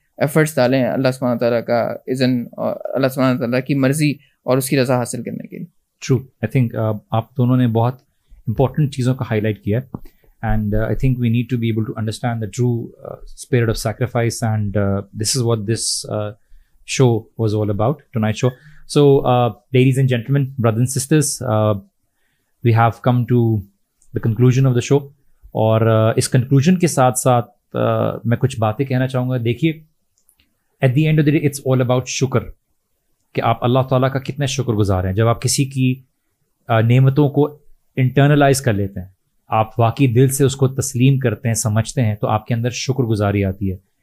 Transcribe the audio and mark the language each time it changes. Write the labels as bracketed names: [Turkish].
[Urdu] Efforts ڈالیں اللہ سبحانہ تعالیٰ کا اذن اور اللہ سبحانہ تعالیٰ کی مرضی اور اس کی رضا حاصل کرنے کے لیے. [English] True. I think [Urdu] آپ دونوں نے بہت امپورٹنٹ چیزوں کا ہائی لائٹ کیا ہے. [English] And I think we need to be able to understand the true spirit of sacrifice and this is what this show was all about tonight show. So ladies and gentlemen, brother and sisters, we have come to the conclusion of the show. [Urdu] اور اس conclusion کے ساتھ ساتھ میں کچھ باتیں کہنا چاہوں گا. دیکھیے, [English] at the end of the day it's all about [Urdu] شکر, کہ آپ اللہ تعالیٰ کا کتنا شکر گزار ہیں. جب آپ کسی کی نعمتوں کو انٹرنلائز کر لیتے ہیں, آپ واقعی دل سے اس کو تسلیم کرتے ہیں, سمجھتے ہیں, تو آپ کے اندر شکر گزاری آتی ہے.